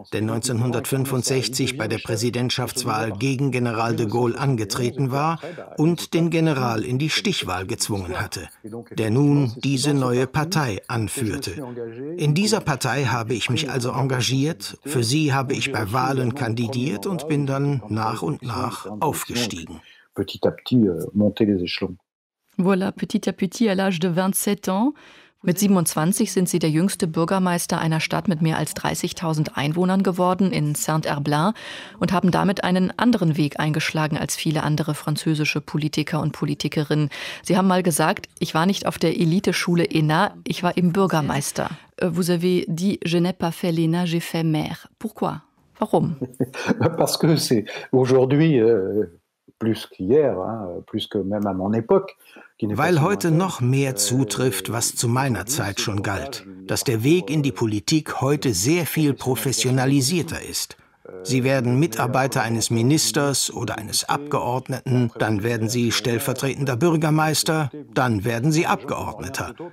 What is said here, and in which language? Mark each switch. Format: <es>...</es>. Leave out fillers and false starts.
<de>Denn 1965 bei der Präsidentschaftswahl gegen General de Gaulle angetreten war und den General in die Stichwahl gezwungen hatte, der nun diese neue Partei anführte. In dieser Partei habe ich mich also engagiert, für sie habe ich bei Wahlen kandidiert und bin dann nach und nach aufgestiegen.</de> <fr>Petit à petit, monter les échelons. Voilà, petit à petit, à l'âge de 27 ans.</fr> <de>Mit 27 sind Sie der jüngste Bürgermeister einer Stadt mit mehr als 30.000 Einwohnern geworden in Saint-Herblain und haben damit einen anderen Weg eingeschlagen als viele andere französische Politiker und Politikerinnen. Sie haben mal gesagt, ich war nicht auf der Eliteschule ENA, ich war eben Bürgermeister.</de> <fr>Vous avez dit, je n'ai pas fait l'ENA, j'ai fait maire. Pourquoi?</fr> <de>Warum?</de> <fr>Parce que c'est aujourd'hui... plus qu'hier, plus que même à mon époque.</fr> <de>Weil heute noch mehr zutrifft, was zu meiner Zeit schon galt, dass der Weg in die Politik heute sehr viel professionalisierter ist. Sie werden Mitarbeiter eines Ministers oder eines Abgeordneten, dann werden Sie stellvertretender Bürgermeister, dann werden Sie Abgeordneter.</de>